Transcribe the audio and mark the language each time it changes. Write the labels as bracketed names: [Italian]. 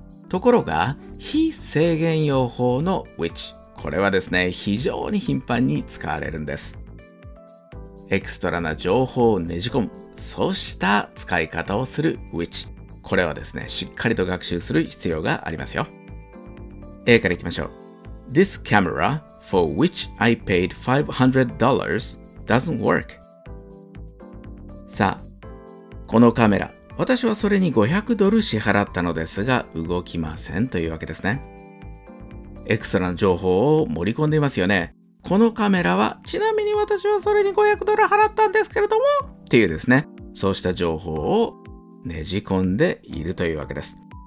[Japanese] ところが非制限用法の which、 これはですね、非常に頻繁に使われるんです。エクストラな情報をねじ込む、そうした使い方をする which、 これはですね、しっかりと学習する必要がありますよ。 A からいきましょう。 [English] This camera for which I paid $500 doesn't work。 [Japanese] さあ、このカメラ、私はそれに500ドル支払ったのですが動きませんというわけですね。エクストラの情報を盛り込んでいますよね。このカメラは、ちなみに私はそれに500ドル払ったんですけれどもっていうですね、そうした情報をねじ込んでいるというわけです。